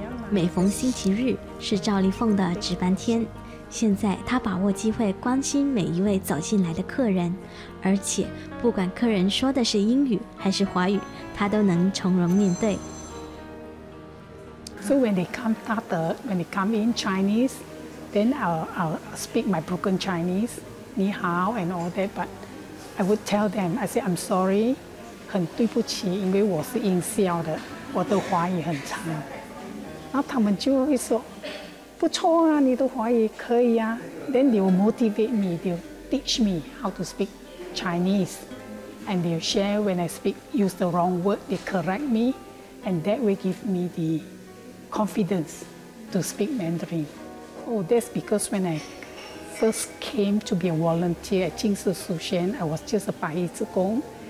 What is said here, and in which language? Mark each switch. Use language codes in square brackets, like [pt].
[zh] 每逢星期日是赵丽凤的值班天，现在她把握机会关心每一位走进来的客人，而且不管客人说的是英语还是华语，她都能从容面对。 [en] So when they come, when they come in Chinese, then I'll speak my broken Chinese, [zh] 你好 [en] and all that, but I would tell them, I say I'm sorry. [zh] 很对不起，因为我是音效的，我的华语很差。然后他们就会说：“不错啊，你的华语可以啊。” [en] Then they will motivate me, they will teach me how to speak Chinese, and they will share when I speak use the wrong word, they correct me, and that will give me the confidence to speak Mandarin. Oh, that's because when I first came to be a volunteer at 近思书宣 I was just a 白衣职工。